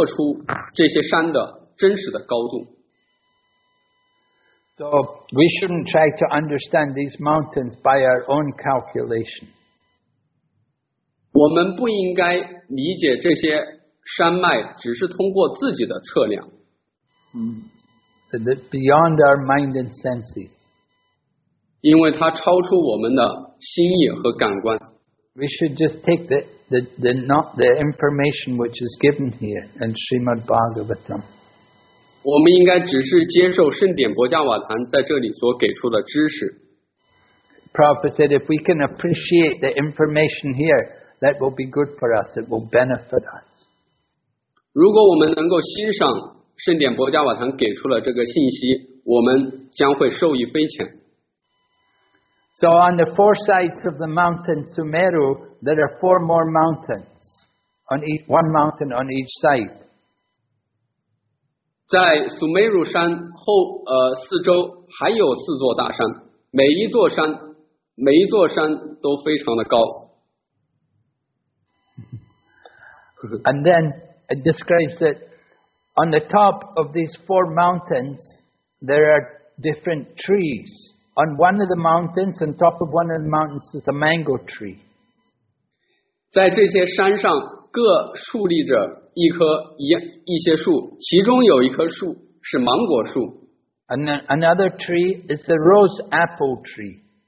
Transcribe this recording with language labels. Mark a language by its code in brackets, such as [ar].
[zh] 他当时就觉得人们其实并没有实际的能测出这些山的真实的高度。 [en] So we shouldn't try to understand these mountains by our own calculation. [zh] 我们不应该理解这些山脉只是通过自己的测量。 [en] Beyond our mind and senses. [zh] 因为它超出我们的心意和感官。 [en] We should just take the information which is given here in Srimad Bhagavatam. [zh] 我们应该只是接受圣典伯加瓦坛在这里所给出的知识。 [en] Prabhupada said, if we can appreciate the information here, that will be good for us, it will benefit us. [zh] 如果我们能够欣赏圣典伯加瓦坛给出了这个信息，我们将会受益匪浅。 [en] So on the four sides of the mountain Sumeru, there are four more mountains. One mountain on each side. [zh] 在苏梅鲁山后四周还有四座大山。每一座山都非常的高。 [en] And then it describes that on the top of these four mountains, there are different trees. On one of the mountains, on top of one of the mountains, is a mango tree. [zh] 在这些山上各树立着一棵一些树, 其中有一棵树是芒果树。 [en] And another tree is the rose apple tree.